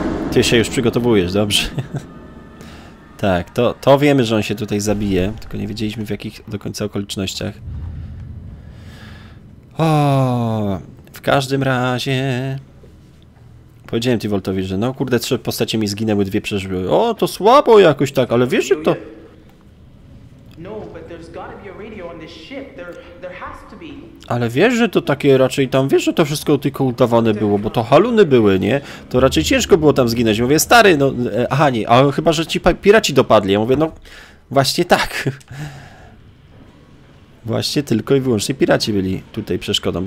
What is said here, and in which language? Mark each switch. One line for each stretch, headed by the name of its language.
Polish: Ty się już przygotowujesz, dobrze? Tak, to wiemy, że on się tutaj zabije, tylko nie wiedzieliśmy w jakich do końca okolicznościach. O, w każdym razie... Powiedziałem Tivoltowi, że no kurde, trzy postacie mi zginęły, dwie przeżyły. O, to słabo jakoś tak, ale wiesz, że to... No, ale
English: there's gotta be a radio on this ship. There has to be.
Polish: Ale wiesz, że to takie raczej tam, wiesz, że to wszystko tylko udawane było, bo to haluny były, nie? To raczej ciężko było tam zginąć. Mówię, stary, no, Hani, a chyba, że ci piraci dopadli. Ja mówię, no, właśnie tak. Właśnie tylko i wyłącznie piraci byli tutaj przeszkodą.